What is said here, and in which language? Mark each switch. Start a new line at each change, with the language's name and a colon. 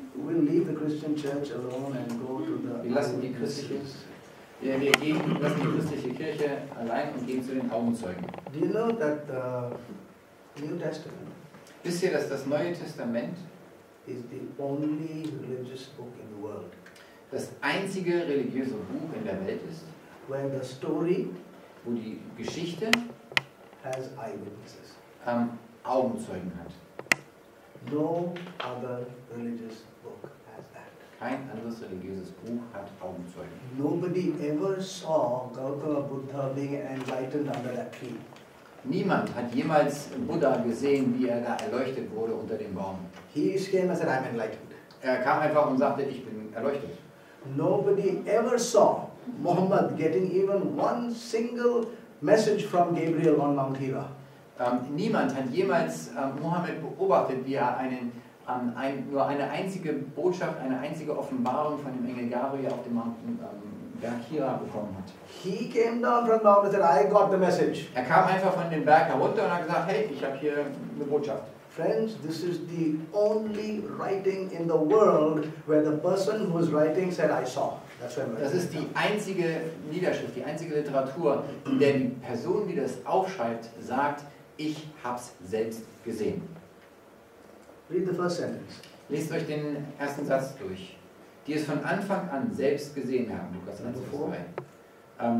English: We'll leave the Christian church alone and go to the.
German: Wir lassen die christliche Kirche allein und gehen zu den Augenzeugen.
English: Do you know that the New Testament?
German: Wisst ihr, dass das Neue Testament
English: is the only religious book in the world.
German: Das einzige religiöse Buch in der Welt ist,
English: where the story,
German: wo die Geschichte
English: has eyewitnesses.
German: Augenzeugen hat.
English: No other religious book has that.
German: Kein anderes religiöses Buch hat Augenzeugen.
English: Nobody ever saw Gautama Buddha being enlightened under that tree.
German: Niemand hat jemals Buddha gesehen, wie er da erleuchtet wurde unter dem Baum.
English: He came and said, I'm enlightened.
German: Er kam einfach und sagte, ich bin erleuchtet.
English: Nobody ever saw Muhammad getting even one single message from Gabriel on Mount Hira.
German: Niemand hat jemals Muhammad beobachtet, wie er nur eine einzige Botschaft, eine einzige Offenbarung von dem Engel Gabriel auf dem Mount Berg Hira bekommen hat.
English: He came down from the mountain and said, I got the message.
German: Er kam einfach von dem Berg herunter und hat gesagt, hey, ich habe hier eine Botschaft.
English: Friends, this is the only writing in the world where the person who is writing said, I saw. That's where
German: das ist die einzige Niederschrift, die einzige Literatur, in der die Person, die das aufschreibt, sagt, ich hab's selbst gesehen.
English: Read the first sentence.
German: Lest euch den ersten Satz durch. Die es von Anfang an selbst gesehen haben, Lukas 1, Vers 2.